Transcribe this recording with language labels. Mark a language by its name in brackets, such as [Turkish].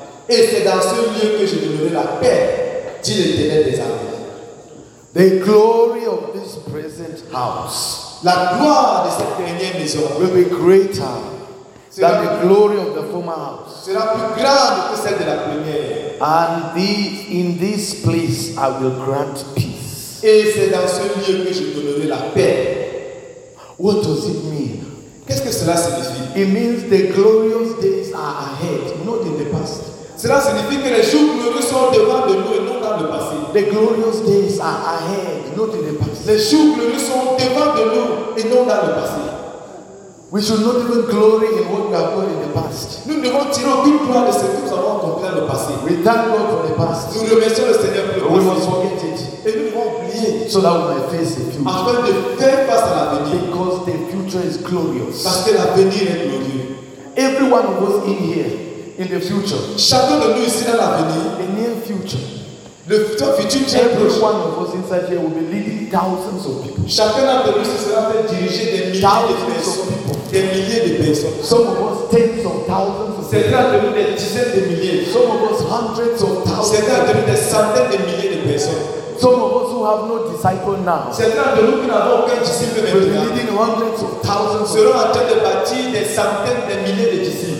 [French] Et c'est dans ce lieu que je demeurerai la paix, dit l'Éternel des armées. [English] The glory of this present house. [French] La gloire de cette dernière maison [English] will be greater. That the glory of the former house [French] sera plus grande que celle de la première. [English] And in this place I will grant peace. [French] Et c'est dans ce lieu que je donnerai la paix. [English] What does it mean? [French] Qu'est-ce que cela signifie? [English] It means the glorious days are ahead, not in the past. [French] Cela signifie que les jours glorieux sont devant de nous et non dans le passé. [English] The glorious days are ahead, not in the past. [French] Les jours glorieux sont devant de nous et non dans le passé. [English] We should not even glory in what we have done in the past. [French] Nous ne devons tirer aucune gloire de ce que nous avons accompli dans le passé. [English] We thank God for the past. [French] Nous remercions le Seigneur pour le passé. [English] We must forget it. [French] Et nous devons oublier. [English] So that we may face the future. [French] Afin de faire face à l'avenir. [English] Because the future is glorious. [French] Parce que l'avenir est glorieux. [English] Every one of us in here, in the future. [French] Chacun de nous ici dans l'avenir. [English] The near future. [French] Le futur, futur. [English] Every one of us inside here will be leading thousands of people. [French] Chacun d'entre nous sera fait diriger des milliers de personnes. Des milliers de personnes. [English] Some of us tens of thousands. [French] Certains de nous des dizaines de milliers. [English] Some of us hundreds of thousands. [French] Certains de nous des centaines de milliers de personnes. [English] Some of us who have no disciple now. [French] Certains de nous qui n'avons aucun disciple maintenant. [English] We're leading hundreds of thousands. [French] Seront en train de bâtir des centaines de milliers de disciples.